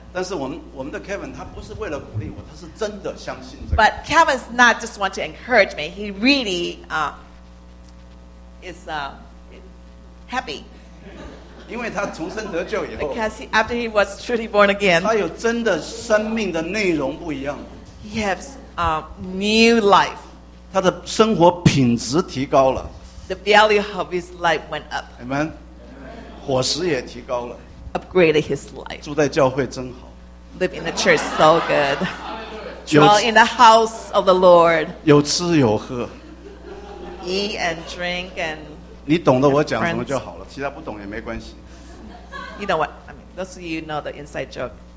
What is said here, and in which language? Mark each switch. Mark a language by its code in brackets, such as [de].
[zh] 但是我们的 Kevin 他不是为了鼓励我，他是真的相信这个。 [en] But Kevin's not just want to encourage me. He really is happy. [zh] 因为他重生得救以后 [en] ，Because after he was truly born again, [zh] 他有真的生命的内容不一样。 [en] He has new life. [zh] 他的生活品质提高了。 [en] The value of his life went up. [zh] Amen. 伙食也提高了。 [en] Upgraded his life. [zh] 住在教会真好。 [en] Live in the church so good. Dwell in the house of the Lord. [zh] 有吃有喝。 [en] Eat and drink and. [zh] 你懂得我讲什么就好了，其他不懂也没关系。 [en] You know what? I mean, those of you know the inside joke.